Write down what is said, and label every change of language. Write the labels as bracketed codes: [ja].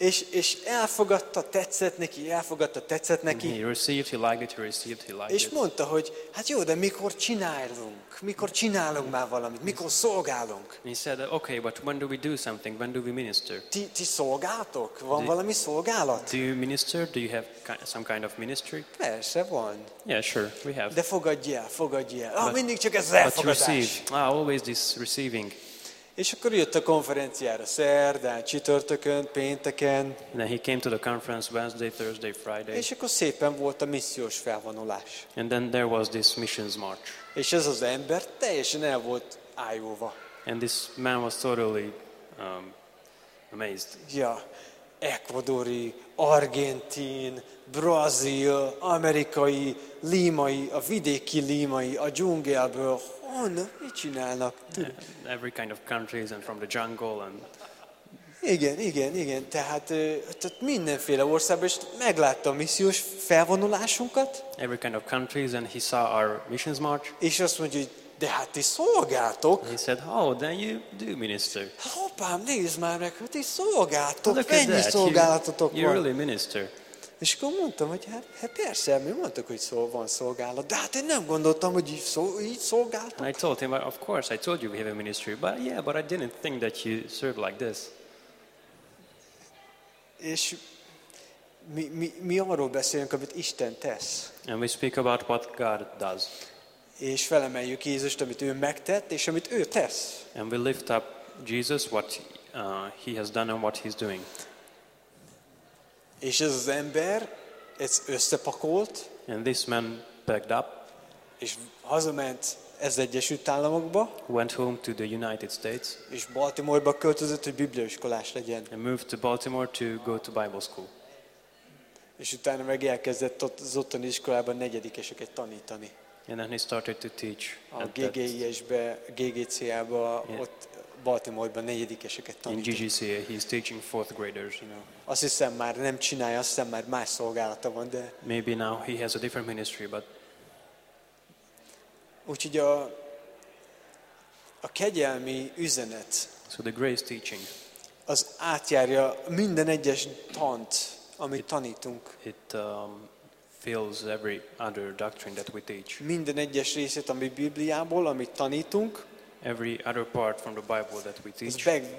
[hu] És elfogadta, tetszett neki, elfogadta, tetszett neki. [en] He received, he liked it, he received, he liked it. [hu] És mondta, hogy hát jó, de mikor csinálunk már valamit, mikor szolgálunk? [en] He said, okay, but when do we do something, when do we minister? [hu] Ti szolgáltok? Van valami szolgálat? [en] Do you minister, do you have some kind of ministry? [hu] Persze, van. [en] Yeah, sure, we have. [hu] De fogadj el. [en] But, [hu] mindig csak ez az elfogadás. [en] But receive, always this receiving. [hu] És akkor jött a konferenciára szerdán, csütörtökön, pénteken. [en] Then he came to the conference Wednesday, Thursday, Friday. [hu] És akkor szépen volt a missziós felvonulás. [en] And then there was this missions march. [hu] És ez az ember teljesen el volt ájulva. [en] And this man was totally amazed. [hu] Ja, ecuadori, argentin, brazil, amerikai, límai, a vidéki límai, a dzsungelből. Mit csinálnak? [en] Every kind of countries and from the jungle and. [hu] Igen. Tehát mindenféle országban, és meglátta a missziós felvonulásunkat. [en] Every kind of countries and he saw our missions march. [hu] És azt mondja, hogy de hát ti szolgáltok. [en] He said, oh, then you do minister. [hu] Hoppám, nézd már meg, hogy ti szolgáltok. Mennyi szolgálatotok van? [en] You're really minister. [hu] És akkor mondtam, hogy hát persze, mi mondtuk, hogy van szolgálat, de hát én nem gondoltam, hogy így szolgáltok. [en] And I told him, of course, I told you we have a ministry, but yeah, but I didn't think that you served like this. [hu] És mi arról beszélünk, amit Isten tesz. [en] And we speak about what God does. [hu] És felemeljük Jézust, amit ő megtett, és amit ő tesz. [en] And we lift up Jesus, what he has done and what he's doing. [hu] És ez az ember, ez összepakolt. [en] And this man packed up. [hu] És hazament az Egyesült Államokba. [en] Went home to the United States. [hu] És Baltimore-ba költözött, hogy bibliaiskolás legyen. [en] And moved to Baltimore to go to Bible school. [hu] És utána meg elkezdett az ottani iskolában negyedikeseket tanítani. [en] And then he started to teach. [hu] A GGIS-be, GGCA-ba, ott Baltimore-ban negyedikeseket tanít. [en] In GGCA, he's teaching fourth graders. [hu] Azt hiszem már nem csinálja, azt hiszem már más szolgálata van, de... [en] Maybe now he has a different ministry, but... [hu] Úgyhogy a kegyelmi üzenet... [en] So the grace teaching... [hu] Az átjárja minden egyes tant, amit tanítunk. [en] Fills every other doctrine that we teach. [hu] Minden egyes részét, ami Bibliából, amit tanítunk... [en] Every other part from the Bible that we teach.